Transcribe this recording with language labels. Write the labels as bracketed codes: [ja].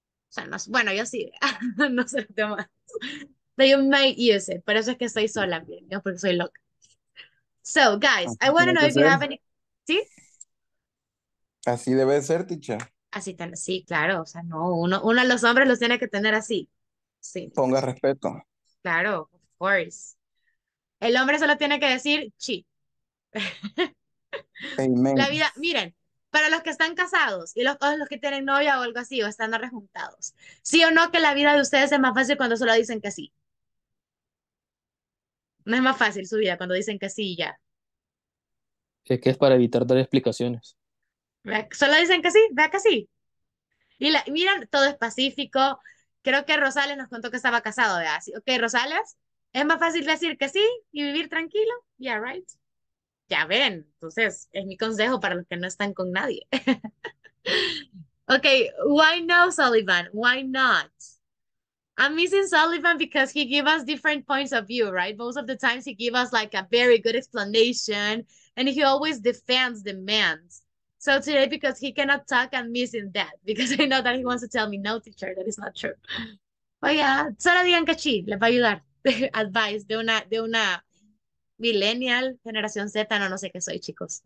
[es] O sea, no, bueno, yo sí, no sé lo demás. [en] But you might use it. [es] Por eso es que estoy sola, ¿verdad? Porque soy loca. [en] So, guys, I want to know if you have any... [es] ¿Sí? Así debe ser, ticha. Así, sí, claro. O sea, no, uno de los hombres los tiene que tener así. Sí. Ponga respeto. Claro, [en] of course. [es] El hombre solo tiene que decir chi. Amen. La vida, miren, para los que están casados y los que tienen novia o algo así, o están arrejuntados, ¿sí o no que la vida de ustedes es más fácil cuando solo dicen que sí? No es más fácil su vida cuando dicen que sí y ya. Es que es para evitar dar explicaciones. Solo dicen que sí, vea que sí. Miren, todo es pacífico. Creo que Rosales nos contó que estaba casado, ¿verdad? Ok, Rosales, Es más fácil decir que sí y vivir tranquilo. [en] Yeah, right. [es] Ya ven. Entonces, es mi consejo para los que no están con nadie. [en] Okay, why no, Sullivan? Why not? I'm missing Sullivan because he gave us different points of view, right? Most of the times he gave us like a very good explanation and he always defends the man. So today, because he cannot talk, I'm missing that because I know that he wants to tell me, no, teacher, that is not true. But yeah, [es] solo digan que sí, les va a ayudar. Advice de una millennial, generación Z, no, no sé qué soy, chicos.